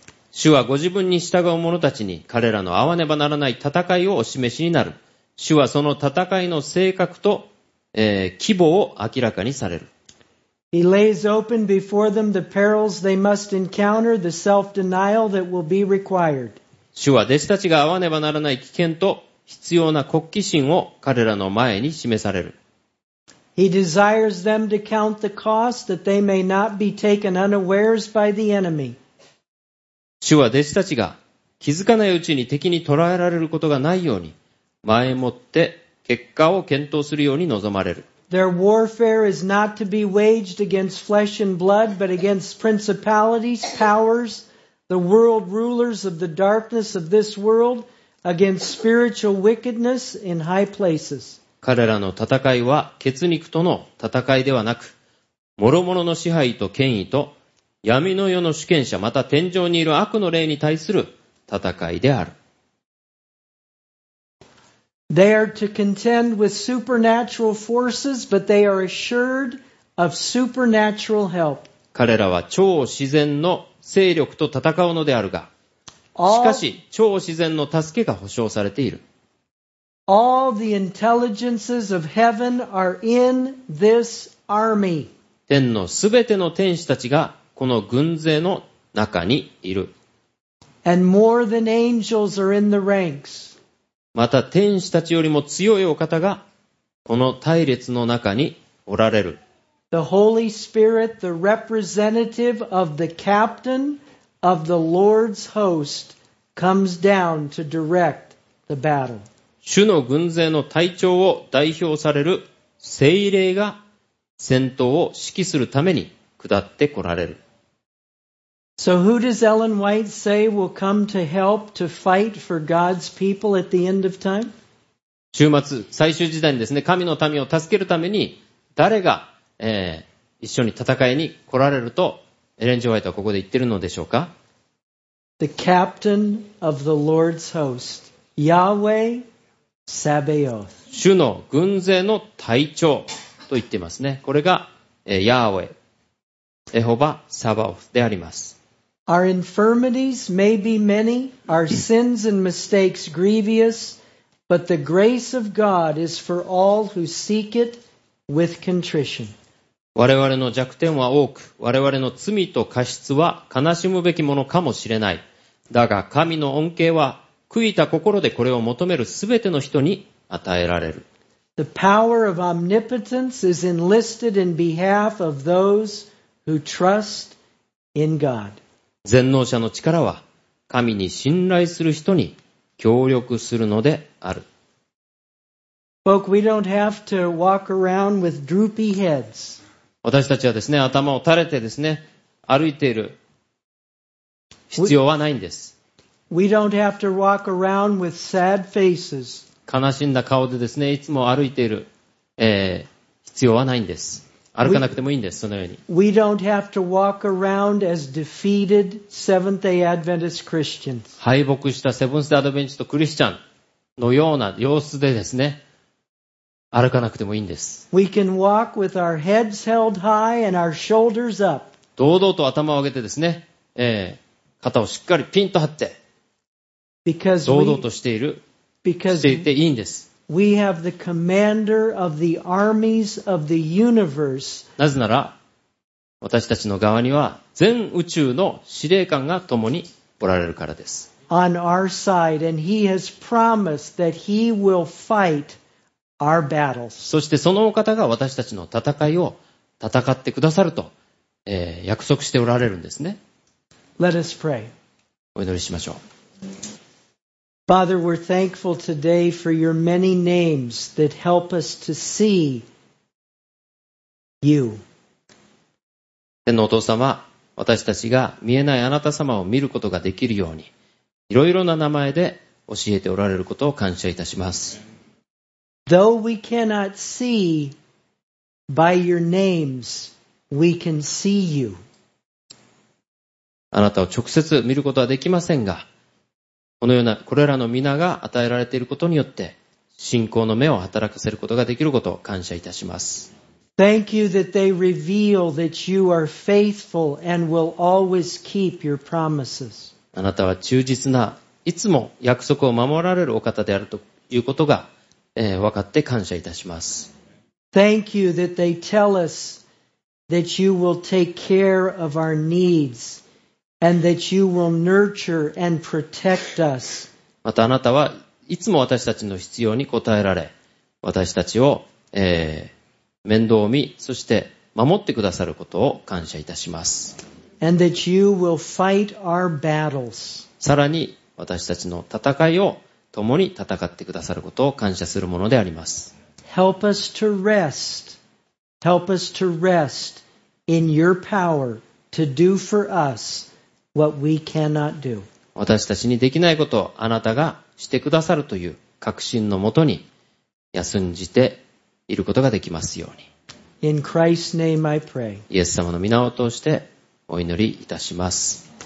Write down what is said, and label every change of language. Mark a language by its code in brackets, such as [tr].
[ja] 主はご自分に従う者たちに彼らの合わねばならない戦いをお示しになる。主はその戦いの性格と、規模を明らかにされる。 [en] He lays open before them the perils they must encounter, the self-denial that will be required. [ja] 主は弟子たちが合わねばならない危険と必要な国旗心を彼らの前に示される。 [en] He desires them to count the cost that they may not be taken unawares by the enemy. [ja] 主は弟子たちが気づかないうちに敵に捕らえられることがないように前もって結果を検討するように望まれる。 [en] Their warfare is not to be waged against flesh and blood, but against principalities, powers, the world rulers of the darkness of this world, against spiritual wickedness in high places. [ja] 彼らの戦いは血肉との戦いではなく、諸々の支配と権威と闇の世の主権者、また天上にいる悪の霊に対する戦いである。 [en] They are to contend with supernatural forces, but they are assured of supernatural help. [ja] 彼らは超自然の勢力と戦うのであるが、しかし超自然の助けが保証されている。 [en] All the intelligences of heaven are in this army. [ja] 天のすべての天使たちがこの軍勢の中にいる。 [en] And more than angels are in the ranks. [ja] また天使たちよりも強いお方がこの隊列の中におられる。 [en] The Holy Spirit, the representative of the captain of the Lord's host, comes down to direct the battle. [ja] 主の軍勢の隊長を代表される聖霊が戦闘を指揮するために下ってこられる。 [en] So who does Ellen White say will come to help to fight for God's people at the end of time? [ja] 終末、最終時代にですね、神の民を助けるために誰が、一緒に戦いに来られると、エレン・ジー・ホワイトはここで言ってるのでしょうか。 [en] The captain of the Lord's host, Yahweh Sabaoth. [ja] 主の軍勢の隊長と言ってますね。これが、ヤーウェ、エホバ・サバオフであります。 [en] Our infirmities may be many, our sins and mistakes grievous, but the grace of God is for all who seek it with contrition. [ja] 我々の弱点は多く、我々の罪と過失は悲しむべきものかもしれない。だが神の恩恵は悔いた心でこれを求めるすべての人に与えられる。 [en] The power of omnipotence is enlisted in behalf of those who trust in God. [ja] 全能者の力は神に信頼する人に協力するのである。 [en] Folk, we don't have to walk around with droopy heads. [ja] 私たちはですね、頭を垂れてですね、歩いている必要はないんです。 [en] We don't have to walk around with sad faces. [ja] 悲しんだ顔でですね、いつも歩いている、必要はないんです。歩かなくてもいいんです、そのように。 [en] We don't have to walk around as defeated Seventh-day Adventist Christians. [ja] 敗北したセブンス・デ・アドベンチストクリスチャンのような様子でですね、歩かなくてもいいんです。 [en] We can walk with our heads held high and our shoulders up. [ja] 堂々と頭を上げてですね、肩をしっかりピンと張って、堂々としている、していていいんです。 [en] We have the commander of the armies of the universe. [ja] なぜなら、私たちの側には全宇宙の司令官が共におられるからです。 [en] On our side, and he has promised that he will fight our battles. [ja] そしてそのお方が私たちの戦いを戦ってくださると、約束しておられるんですね。 [en] Let us pray. [ja] お祈りしましょう。 [en] Father, we're thankful today for your many names that help us to see you. [ja] 天のお父様、私たちが見えないあなた様を見ることができるように、いろいろな名前で教えておられることを感謝いたします。 [en] Though we cannot see by your names, we can see you. [ja] あなたを直接見ることはできませんが、このようなこれらの皆が与えられていることによって信仰の目を働かせることができることを感謝いたします。 [en] Thank you that they reveal that you are faithful and will always keep your promises. [ja] あなたは忠実な、いつも約束を守られるお方であるということが、分かって感謝いたします。 [en] Thank you that they tell us that you will take care of our needs. And that you will nurture and protect us. [ja] またあなたはいつも私たちの必要に応えられ、私たちを、面倒を見、そして守ってくださることを感謝いたします。 [en] And that you will fight our battles. [ja] さらに私たちの戦いを共に戦ってくださることを感謝するものであります。 [en] Help us to rest. Help us to rest in your power to do for us. What we cannot do. [ja] 私たちにできないことをあなたがしてくださるという確信のもとに休んじていることができますように。 [en] In Christ's name I pray. [ja] イエス様の御名を通してお祈りいたします。